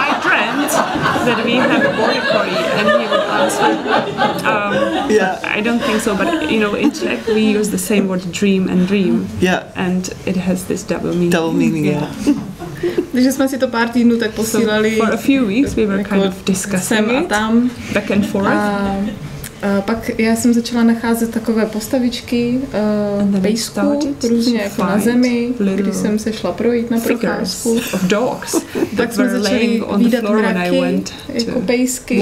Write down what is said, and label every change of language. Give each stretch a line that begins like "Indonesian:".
English: That we have a border collie, and he would answer. I don't think so, but you know, in Czech we use the same word dream and dream. Yeah. And it has this double meaning. Double meaning, yeah.
Czech: Takže jsme si to pár týdnů tak posílali.
English: For a few weeks we were kind of discussing it, back and forth.
Czech: Pak já jsem začala nacházet takové postavičky, pejsku, různě jako na zemi, kdy jsem se šla projít na procházku.
English: Of dogs.
Czech: Tak jsme začali vidět mraky, jako pejsky.